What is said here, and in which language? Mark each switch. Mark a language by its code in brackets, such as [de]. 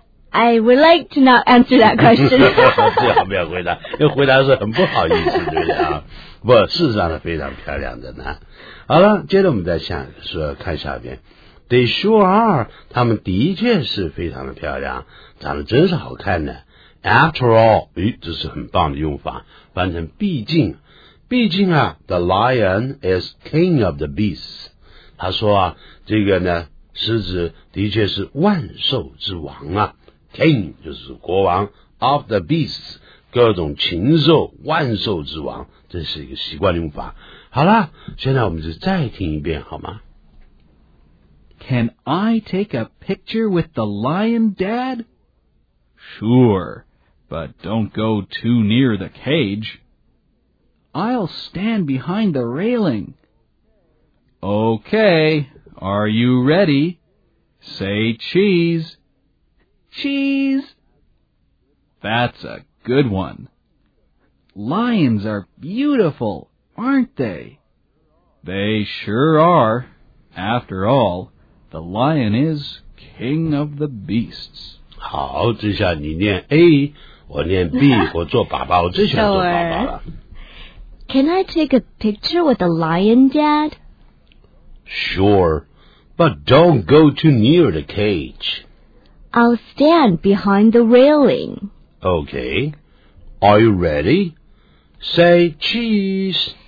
[en] I would like to not answer that question. [zh] 最好不要回答，因为回答是很不好意思，对不对啊？不，事实上是非常漂亮的呢。好了，接着我们再想说看下边 ， They sure are，他们的确是非常的漂亮，长得真是好看的。 After all，咦，这是很棒的用法，翻成毕竟，毕竟啊 ， The lion is king of the beasts。他说啊，这个呢，狮子的确是万兽之王啊。 King 就是国王 of the beasts 各种禽兽万兽之王，这是一个习惯用法。好啦，现在我们就再听一遍好吗？ [en] Can I take a picture with the lion, Dad? Sure, but don't go too near the cage. I'll stand behind the railing. Okay, are you ready? Say cheese. Cheese! That's a good one. Lions are beautiful, aren't they? They sure are. After all, the lion is king of the beasts. [zh] 好，这下你念 A, 我念 B, 我做爸爸，我最喜欢做爸爸了。 [en] Can I take a picture with the lion, Dad? Sure, but don't go too near the cage. I'll stand behind the railing. Okay. Are you ready? Say cheese.